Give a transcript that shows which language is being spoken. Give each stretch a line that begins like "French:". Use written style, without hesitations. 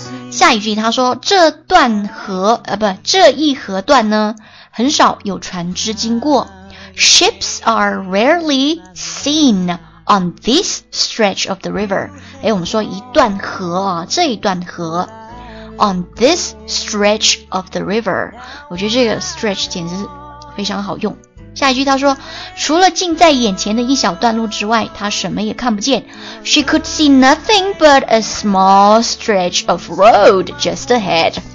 Chinese: 下一句他说，这一河段呢很少有船只经过。
English: Ships are rarely seenOn this stretch of the river.
Chinese: 我们说一段河啊，这一段河。
English: On this stretch of the river.
Chinese: 我觉得这个 stretch 简直非常好用。下一句他说，除了近在眼前的一小段路之外，他什么也看不见。
English: She could see nothing but a small stretch of road just ahead.